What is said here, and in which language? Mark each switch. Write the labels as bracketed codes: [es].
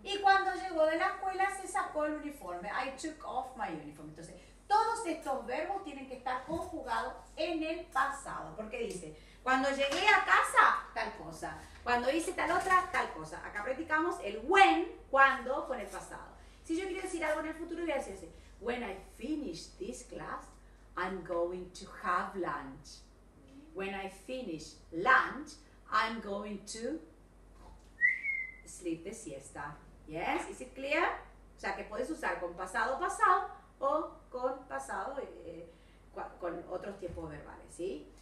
[es] Y cuando llegó de la escuela, se sacó el uniforme. [en] I took off my uniform. [es] Entonces, todos estos verbos tienen que estar conjugados en el pasado. Porque dice, cuando llegué a casa, tal cosa. Cuando hice tal otra, tal cosa. Acá practicamos el when, cuando, con el pasado. Si yo quiero decir algo en el futuro, voy a decir así. [en] When I finish this class, I'm going to have lunch. When I finish lunch, I'm going to sleep the siesta. Yes, is it clear? [es] O sea, que puedes usar con pasado, pasado, o con pasado, con otros tiempos verbales, ¿sí?